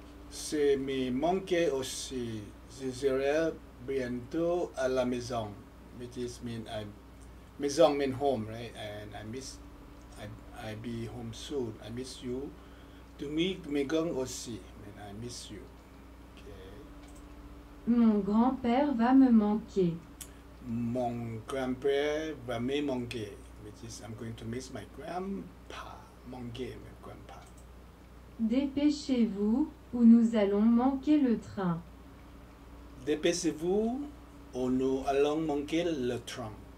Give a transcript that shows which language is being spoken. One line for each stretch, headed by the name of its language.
French: Si me manque aussi, je serai bientôt à la maison.
English: Which is mean I, maison mean home, right? And I miss, I be home soon. I miss you.
French: Tu me manques aussi,
English: mean I miss you. Okay.
French: Mon grand-père va me manquer. Mon grand-père va me manquer.
English: Which is I'm going to miss my grandpa.
French: Manquer. Dépêchez-vous ou nous allons manquer le train. Dépêchez-vous ou nous allons manquer le train.